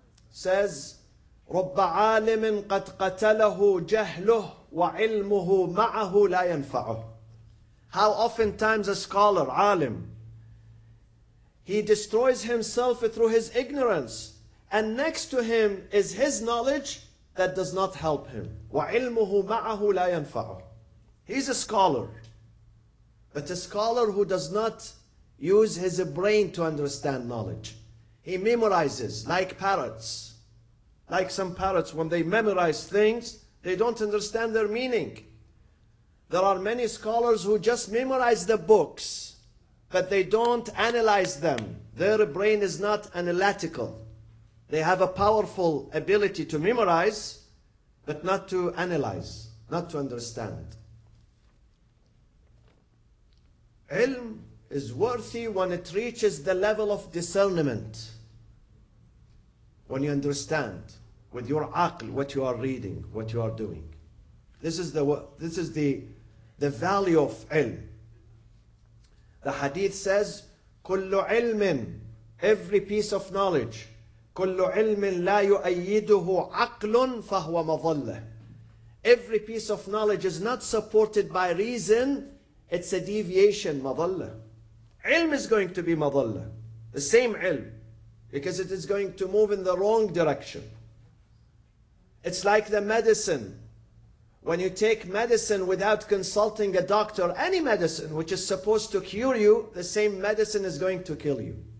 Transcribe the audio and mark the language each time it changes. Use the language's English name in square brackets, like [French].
[English] Says, [Arabic] رب عالم قد قتله جهله وعلمه معه لا ينفعه. [English] How often times a scholar, عالم, he destroys himself through his ignorance, and next to him is his knowledge that does not help him. [Arabic] وعلمه معه لا ينفعه. [English] He's a scholar, but a scholar who does not use his brain to understand knowledge. He memorizes like parrots. Like some parrots, when they memorize things, they don't understand their meaning. There are many scholars who just memorize the books, but they don't analyze them. Their brain is not analytical. They have a powerful ability to memorize, but not to analyze, not to understand. Ilm is worthy when it reaches the level of discernment, when you understand. With your aql, what you are reading, what you are doing. This is the value of ilm. The hadith says, [Arabic] كُلُّ عِلْمٍ, [English] every piece of knowledge, [Arabic] كُلُّ عِلْمٍ لَا يُؤَيِّدُهُ عَقْلٌ فَهُوَ مَظَلَّةٌ. [English] Every piece of knowledge is not supported by reason, it's a deviation, مَظَلَّةٌ. Ilm is going to be مَظَلَّةٌ, the same ilm, because it is going to move in the wrong direction. It's like the medicine. When you take medicine without consulting a doctor, any medicine which is supposed to cure you, the same medicine is going to kill you.